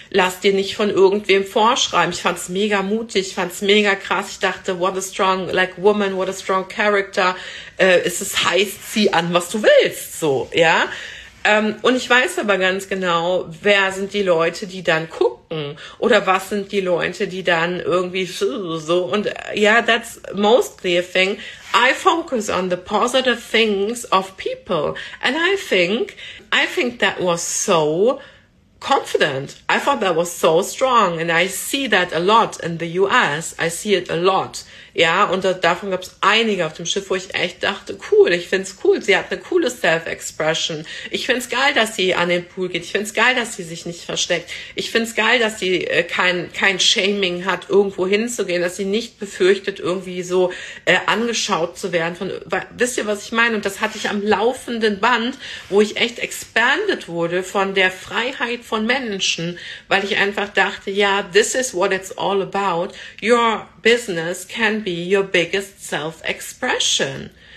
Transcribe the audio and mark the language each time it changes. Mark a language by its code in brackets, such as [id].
[de] Lass dir nicht von irgendwem vorschreiben. Ich fand's mega mutig, ich fand's mega krass. Ich dachte, [en] what a strong, like, woman, what a strong character. [de] Es heißt, zieh an, was du willst, so, ja. Und ich weiß aber ganz genau, wer sind die Leute, die dann gucken? Oder was sind die Leute, die dann irgendwie so? [en] Und ja, yeah, that's mostly a thing. I focus on the positive things of people. And I think that was so confident. I thought that was so strong. And I see that a lot in the US. I see it a lot. [de] Ja, und davon gab es einige auf dem Schiff, wo ich echt dachte, cool, ich find's cool, sie hat eine coole Self-Expression. Ich find's geil, dass sie an den Pool geht. Ich find's geil, dass sie sich nicht versteckt. Ich find's geil, dass sie kein Shaming hat, irgendwo hinzugehen, dass sie nicht befürchtet, irgendwie so angeschaut zu werden. Wisst ihr, was ich meine? Und das hatte ich am laufenden Band, wo ich echt expanded wurde von der Freiheit von Menschen, weil ich einfach dachte, ja, [en] this is what it's all about. Your business can be your biggest self-expression.